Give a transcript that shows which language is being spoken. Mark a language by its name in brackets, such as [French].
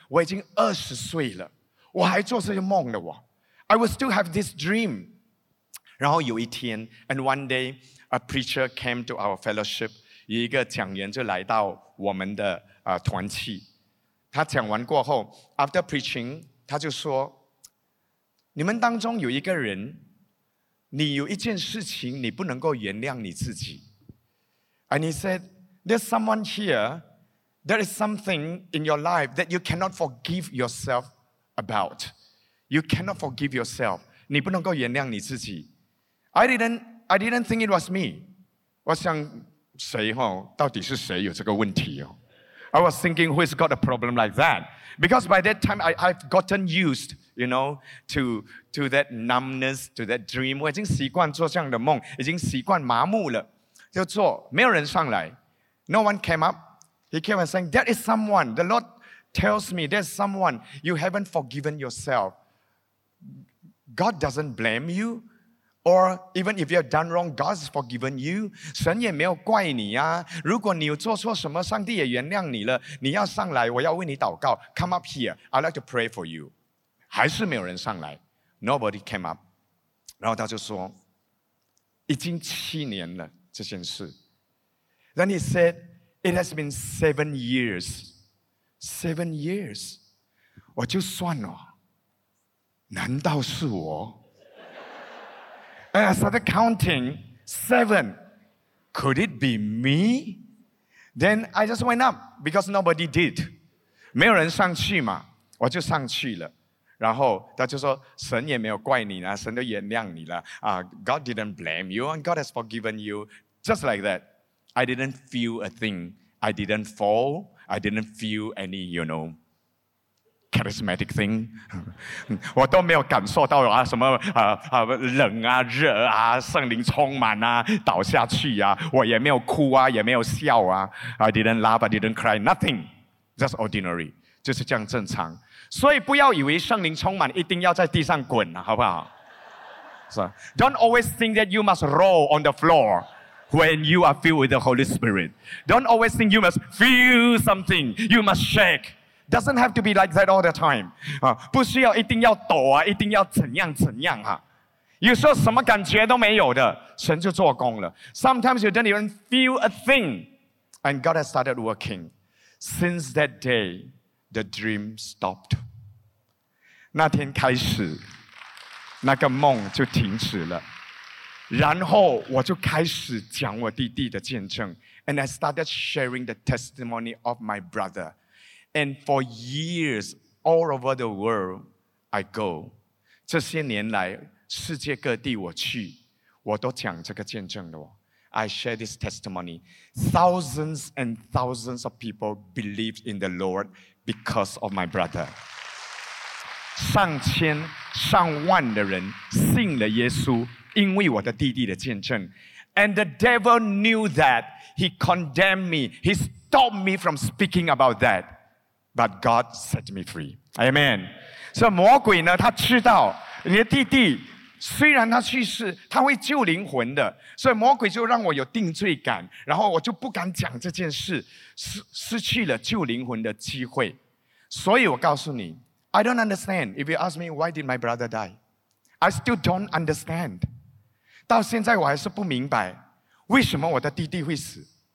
[Chinese] 我已经20岁了,我还做这些梦了。 [English] I would still have this dream. [Chinese] 然后有一天, [English] and one day, a preacher came to our fellowship. [Chinese] 有一个讲员就来到我们的 团契. 他讲完过后, [English] after preaching, [Chinese] 他就说, 你们当中有一个人, 你有一件事情你不能够原谅你自己. [English] And he said, there's someone here, there is something in your life that you cannot forgive yourself about. You cannot forgive yourself. [Chinese] 你不能够原谅你自己. [English] I didn't think it was me. [Chinese] 我想谁哦,到底是谁有这个问题哦? [English] I was thinking, who has got a problem like that? Because by that time, I've gotten used, you know, to that numbness, to that dream. [Chinese] 我已经习惯做这样的梦,已经习惯麻木了,就做,没有人上来. [English] No one came up. He came and saying, there is someone, the Lord tells me, there's someone, you haven't forgiven yourself. God doesn't blame you. Or even if you have done wrong, God has forgiven you. [Chinese] 神也没有怪你啊, 如果你有做错什么, 上帝也原谅你了, 你要上来, 我要为你祷告, [English] come up here, I'd like to pray for you. [Chinese] 还是没有人上来, [English] nobody came up. [Chinese] 然后他就说, 已经七年了, 这件事。 [English] Then he said, it has been 7 years. 7 years. [Chinese] 我就算了, 难道是我? [English] And I started counting, 7. Could it be me? Then I just went up, because nobody did. [Chinese] 没有人上去嘛, 我就上去了. 然后他就说, 神也没有怪你啊, 神都原谅你了, [English] God didn't blame you, and God has forgiven you. Just like that, I didn't feel a thing. I didn't fall. I didn't feel any, you know, charismatic thing. [Chinese] 我都没有感受到什么冷啊,热啊,圣灵充满啊,倒下去啊,我也没有哭啊,也没有笑啊, [English] I didn't laugh, I didn't cry, nothing. Just ordinary. [Chinese] 就是这样正常. 所以不要以为圣灵充满一定要在地上滚, 好不好? [English] So, don't always think that you must roll on the floor when you are filled with the Holy Spirit. Don't always think you must feel something, you must shake. Doesn't have to be like that all the time. [Chinese] 不需要一定要抖啊, 一定要怎样怎样啊。有时候什么感觉都没有的，神就做工了。 [English] Sometimes you don't even feel a thing, and God has started working. Since that day, the dream stopped. [Chinese] 那天开始，那个梦就停止了。然后我就开始讲我弟弟的见证。 [English] And I started sharing the testimony of my brother. And for years, all over the world, I go. [Chinese] 这些年来，世界各地我去，我都讲这个见证了。 [English] I share this testimony. Thousands and thousands of people believe in the Lord because of my brother. [Chinese] 上千、上万的人信了耶稣，因为我的弟弟的见证。 [English] And the devil knew that. He condemned me. He stopped me from speaking about that. But God set me free. Amen. [Chinese] So 魔鬼呢，他知道你的弟弟虽然他去世，他会救灵魂的，所以魔鬼就让我有定罪感，然后我就不敢讲这件事，失去了救灵魂的机会。所以我告诉你， [English] I don't understand. If you ask me why did my brother die, I still don't understand. [Chinese] 到现在我还是不明白，为什么我的弟弟会死？